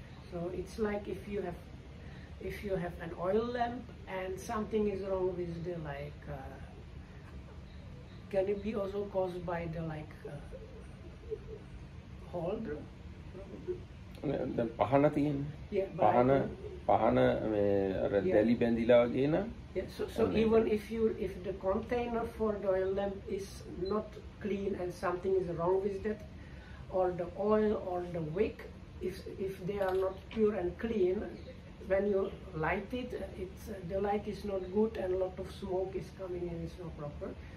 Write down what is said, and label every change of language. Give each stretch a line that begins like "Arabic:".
English: So it's like if you have an oil lamp and something is wrong with the like, can it be also caused by the like holder?
Sinhala: දැන් පහන තියෙන්නේ පහන මේ අර දැලි බැඳිලා වගේ නම්
English: so even if the container for the oil lamp is not clean and something is wrong with that, or the oil or the wick, if they are not pure and clean, when you light it, it's the light is not good and a lot of smoke is coming and it's not proper.